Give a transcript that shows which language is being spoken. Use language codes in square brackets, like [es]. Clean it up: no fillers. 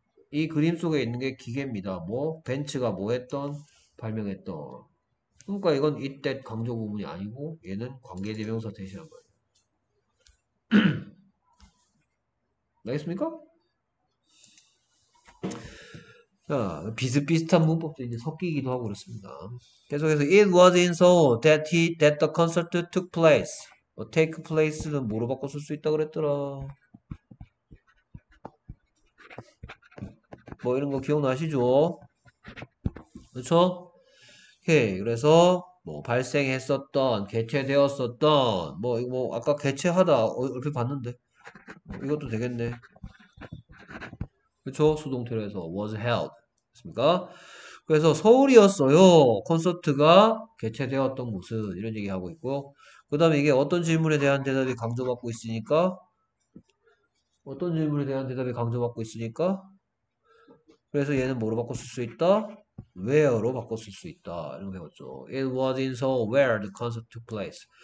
[ko] 이 그림 속에 있는 게 기계입니다. 뭐? 벤츠가 뭐 했던? 발명했던. 그러니까 이건 it that 강조 구문이 아니고 얘는 관계 대명사 대신한 거예요. 알겠습니까? 자, 비슷비슷한 문법도 이제 섞이기도 하고 그렇습니다. [en] 계속해서 it was in Seoul that he that the concert took place. [ko] take place 는 뭐로 바꿔 쓸수 있다 그랬더라. 뭐 이런 거 기억나시죠? 그렇죠? 오케이. 그래서 뭐 발생했었던, 개최되었었던, 뭐 이거 뭐 아까 개최하다 얼핏 봤는데 이것도 되겠네. 그렇죠? 수동태로 해서 was held. 됐습니까? 그래서 서울이었어요. 콘서트가 개최되었던 곳은 이런 얘기 하고 있고요. 그다음에 이게 어떤 질문에 대한 대답이 강조받고 있으니까 어떤 질문에 대한 대답이 강조받고 있으니까 그래서 얘는 뭐로 바꿔 쓸수 있다? where로 바꿔 쓸수 있다. 이런 거 배웠죠. [en] It was in Seoul where the concert took place.